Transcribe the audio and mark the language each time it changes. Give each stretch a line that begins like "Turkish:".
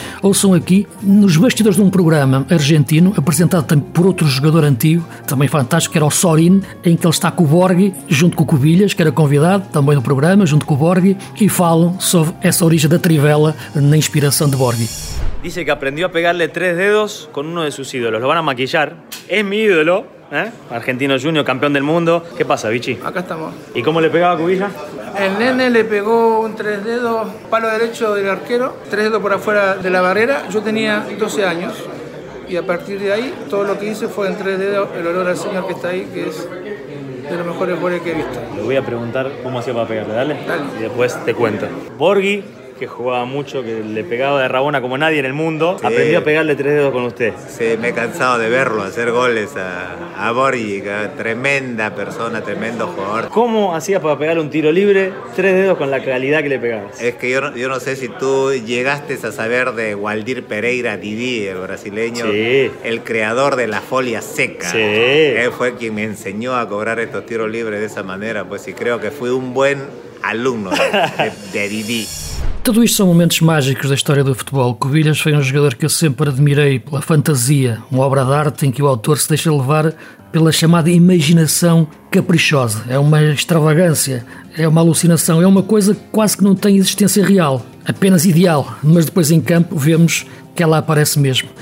Portuguese: Ouçam aqui, nos bastidores de um programa argentino, apresentado também por outro jogador antigo, também fantástico, que era o Sorin, em que ele está com o Borghi, junto com o Cubillas, que era convidado também no programa, junto com o Borghi, e falam sobre essa origem da trivela na inspiração de Borghi.
Spanish: Dice que aprendió a pegarle tres dedos con uno de sus ídolos. Lo van a maquillar. Es mi ídolo, ¿eh? Argentino Junior, campeón del mundo. ¿Qué pasa, Vichy? Acá estamos. ¿Y cómo le pegaba a Cubilla? El nene le pegó un tres dedos, palo derecho del arquero, tres dedos por afuera de la barrera. Yo tenía 12 años. Y a partir de ahí, todo lo que hice fue en tres dedos el olor al señor que está ahí, que es de los mejores goles que he visto. Le voy a preguntar cómo hacía para pegarle, ¿dale? Dale. Y después te cuento. Borghi, que jugaba mucho, que le pegaba de rabona como nadie en el mundo, sí. Aprendió a pegarle tres dedos con usted. Sí, me he cansado de verlo hacer goles a Borghi, tremenda persona, tremendo jugador. ¿Cómo hacías para pegar un tiro libre tres dedos con la calidad que le pegabas? Es que yo no sé si tú llegaste a saber de Waldir Pereira Didi, el brasileño, sí. El creador de la folia seca. Sí. Él fue quien me enseñó a cobrar estos tiros libres de esa manera, pues sí, creo que fui un buen alumno de Didi.
Portuguese: Tudo isto são momentos mágicos da história do futebol. Cubillas foi um jogador que eu sempre admirei pela fantasia, uma obra de arte em que o autor se deixa levar pela chamada imaginação caprichosa. É uma extravagância, é uma alucinação, é uma coisa que quase que não tem existência real, apenas ideal, mas depois em campo vemos que ela aparece mesmo.